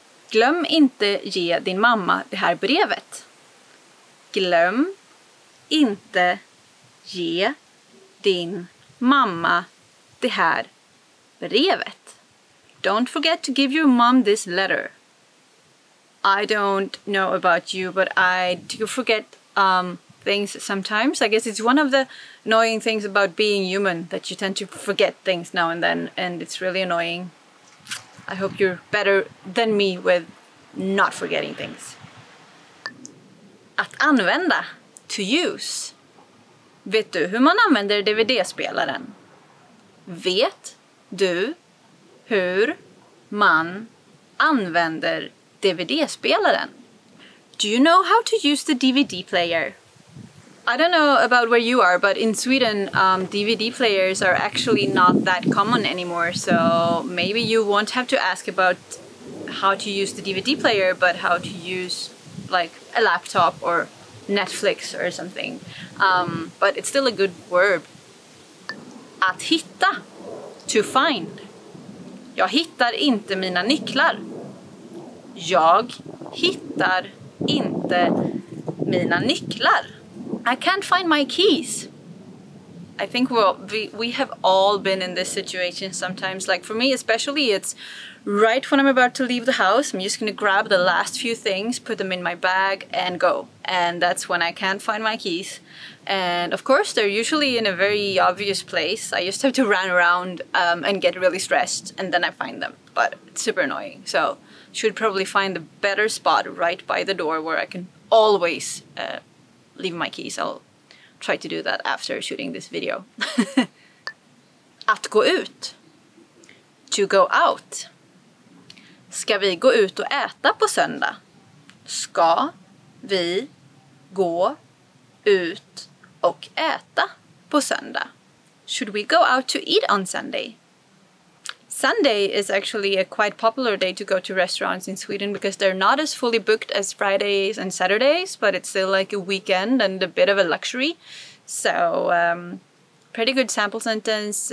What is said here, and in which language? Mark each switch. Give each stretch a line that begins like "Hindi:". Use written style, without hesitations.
Swedish: Glöm inte ge din mamma det här brevet. Glöm inte ge din mamma det här brevet.
English: Don't forget to give your mom this letter. I don't know about you, but I do forget things sometimes. I guess it's one of the annoying things about being human, that you tend to forget things now and then, and it's really annoying. I hope you're better than me with not forgetting things.
Swedish: Att använda.
English: To use.
Swedish: Vet du hur man använder DVD-spelaren? Vet du hur man använder DVD-spelaren?
English: Do you know how to use the DVD player? I don't know about where you are, but in Sweden, DVD players are actually not that common anymore. So maybe you won't have to ask about how to use the DVD player, but how to use like a laptop or Netflix or something. But it's still a good verb.
Swedish: Att hitta.
English: To find.
Swedish: Jag hittar inte mina nycklar. Jag hittar inte mina nycklar.
English: I can't find my keys. I think we have all been in this situation sometimes. Like for me especially, it's right when I'm about to leave the house, I'm just going to grab the last few things, put them in my bag and go. And that's when I can't find my keys. And of course, they're usually in a very obvious place. I just have to run around and get really stressed and then I find them. But it's super annoying. So should probably find a better spot right by the door where I can always leave my keys. I'll try to do that after shooting this video.
Swedish: Att gå ut.
English: To go out.
Swedish: Ska vi gå ut och äta på söndag? Ska vi gå ut och äta på söndag?
English: Should we go out to eat on Sunday? Sunday is actually a quite popular day to go to restaurants in Sweden because they're not as fully booked as Fridays and Saturdays, but it's still like a weekend and a bit of a luxury. So, pretty good sample sentence.